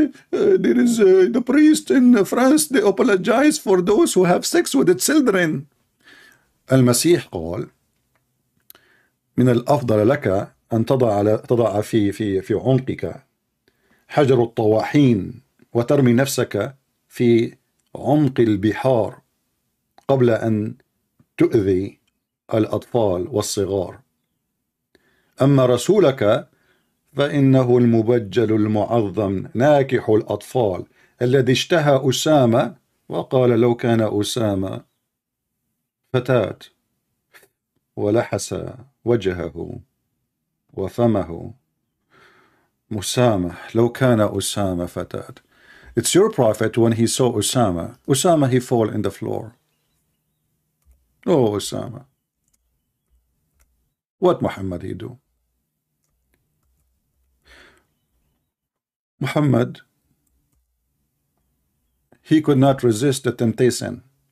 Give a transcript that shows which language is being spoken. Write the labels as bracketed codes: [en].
[en] There is the priest in France, they apologize for those who have sex with the children. [ar] المسيح قال من الأفضل لك أن تضع في عنقك حجر الطواحين وترمي نفسك في عمق البحار قبل أن تؤذي الأطفال والصغار. أما رسولك فإنه المبجل المعظم ناكح الأطفال الذي اشتهى أسامة وقال لو كان أسامة فتاة، ولحس وجهه وفمه مسامة لو كان أسامة فتاة. [en] It's your prophet when he saw Usama. Usama, he fall in the floor. Oh, Usama. What Muhammad he do? Muhammad, he could not resist the temptation.